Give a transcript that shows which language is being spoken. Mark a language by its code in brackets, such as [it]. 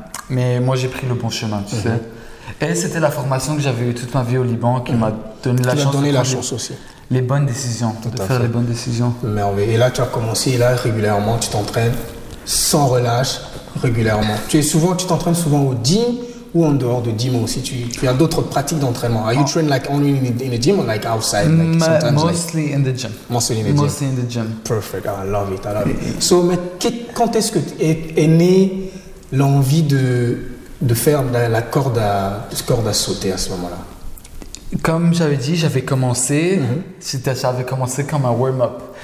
[fr] Mais moi, j'ai pris le bon chemin, tu sais. Et c'était la formation que j'avais eue toute ma vie au Liban qui m'a donné la chance. Qui m'a donné la chance aussi. Les bonnes décisions, les bonnes décisions. Merveilleux. Et là, tu as commencé, et là, régulièrement, tu t'entraînes sans relâche, régulièrement. Tu t'entraînes souvent au gym ou en dehors de gym aussi. Tu as d'autres pratiques d'entraînement. [en] Are you training like only in the gym or like outside? Mostly in the gym. Mostly in the gym. Perfect. I love it. I love it. [fr] So, mais quand est-ce que tu es né l'envie de faire la corde à sauter à ce moment-là? Comme j'avais dit, j'avais commencé, j'avais commencé comme un warm-up.